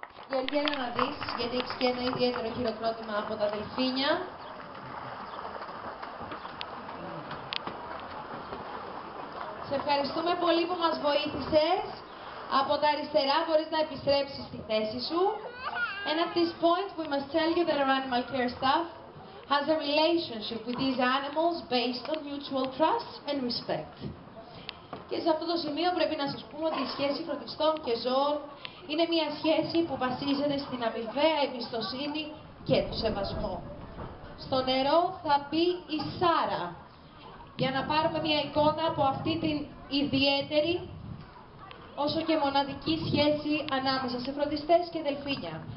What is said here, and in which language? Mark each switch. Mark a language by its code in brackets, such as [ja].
[el] Γεωργία, έλα να δεις, γιατί έχεις και ένα ιδιαίτερο χειροκρότημα από τα δελφίνια. Σε ευχαριστούμε πολύ που μας βοήθησες. Από τα αριστερά μπορείς να επιστρέψεις στη θέση σου. [en] And at this point, we must tell you that our animal care staff has a relationship with these animals based on mutual trust and respect. [el] Και σε αυτό το σημείο πρέπει να σας πούμε ότι η σχέση φροντιστών και ζώων είναι μια σχέση που βασίζεται στην αμοιβαία εμπιστοσύνη και το σεβασμό. Στο νερό θα μπει η Σάρα, για να πάρουμε μια εικόνα από αυτή την ιδιαίτερη, όσο και μοναδική σχέση ανάμεσα σε φροντιστές και δελφίνια.